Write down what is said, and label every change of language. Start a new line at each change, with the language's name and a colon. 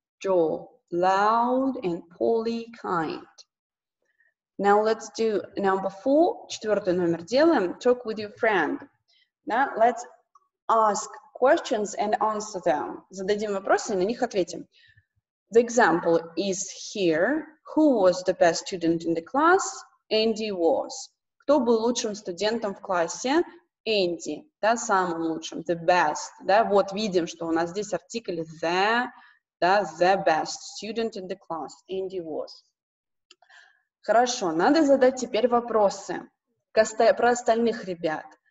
English: Joe, loud. And Polly, kind. Now let's do number 4.
Russian: Четвертый номер делаем.
English: Talk with your friend. Now let's ask questions and answer them.
Russian: Зададим вопросы и на них ответим.
English: The example is here. Who was the best student in the class? Andy was.
Russian: Кто был лучшим студентом в классе? Andy. Да, самым лучшим. The best. Да, вот видим, что у нас здесь артикль the.
English: Да, the best student in the class. Andy was.
Russian: Хорошо, надо задать теперь вопросы про остальных ребят.